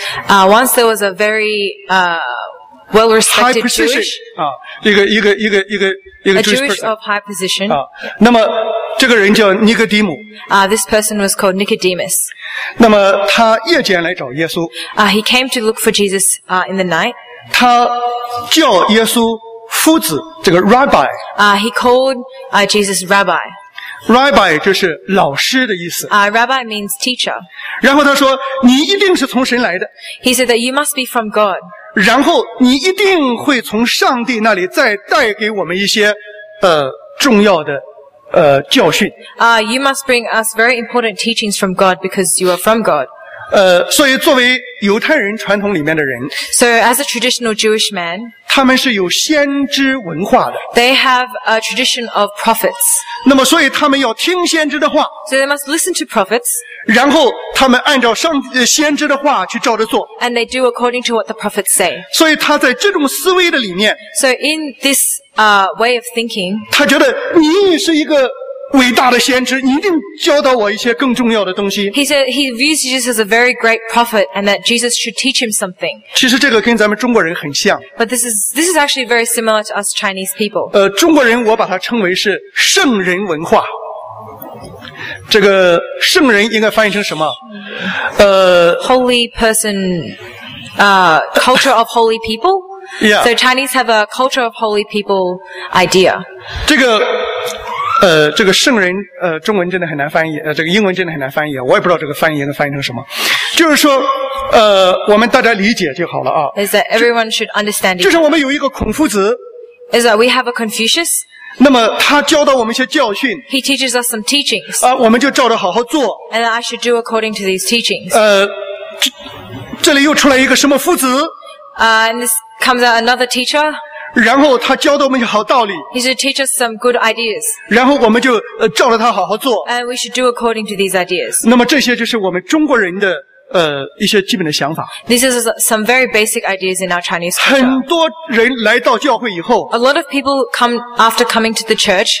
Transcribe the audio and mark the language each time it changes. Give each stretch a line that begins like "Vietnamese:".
English: Once there was a very, well respected Jewish. High position.
Chinese: 一个
English: Jewish person. A Jewish of high position.
Chinese: 那么这个人叫尼哥底姆。
English: This person was called Nicodemus.
Chinese: 那么他夜间来找耶稣。
English: He came to look for Jesus, in the night.
Chinese: 他叫耶稣夫子，这个 Rabbi.
English: He called, Jesus Rabbi.
Chinese: Rabbi 就是老师的意思。
English: Rabbi means teacher.
Chinese: 然后他说，你一定是从神来的。
English: He said that you must be from God.
Chinese: 然后你一定会从上帝那里再带给我们一些重要的教训。
English: You must bring us very important teachings from God because you are from God.
Chinese: 所以作为犹太人传统里面的人。
English: So as a traditional Jewish man.
Chinese: 他们是有先知文化的。
English: They have a tradition of prophets.
Chinese: 那么所以他们要听先知的话。
English: So they must listen to prophets.
Chinese: 然后他们按照上先知的话去照着做。
English: And they do according to what the prophets say.
Chinese: 所以他在这种思维的里面。
English: So in this, way of thinking.
Chinese: 他觉得你是一个伟大的先知，你一定教导我一些更重要的东西。
English: He said he views Jesus as a very great prophet, and that Jesus should teach him something.
Chinese: 其实这个跟咱们中国人很像。
English: But this is actually very similar to us Chinese people.
Chinese: 中国人我把它称为是圣人文化。这个圣人应该翻译成什么？
English: Holy person, culture of holy people. Yeah. So Chinese have a culture of holy people idea.
Chinese: 这个。这个圣人中文真的很难翻译，这个英文真的很难翻译，我也不知道这个翻译能翻译成什么。就是说我们大家理解就好了啊。
English: Is that everyone should understand it?
Chinese: 就是我们有一个孔夫子。
English: Is that we have a Confucius?
Chinese: 那么他教导我们一些教训。
English: He teaches us some teachings.
Chinese: 我们就照着好好做。
English: And I should do according to these teachings.
Chinese: 这里又出来一个什么夫子。
English: And this comes out another teacher.
Chinese: 然后他教导我们一些好道理。
English: He should teach us some good ideas.
Chinese: 然后我们就照着他好好做。
English: And we should do according to these ideas.
Chinese: 那么这些就是我们中国人的一些基本的想法。
English: This is some very basic ideas in our Chinese culture.
Chinese: 很多人来到教会以后。
English: A lot of people come after coming to the church.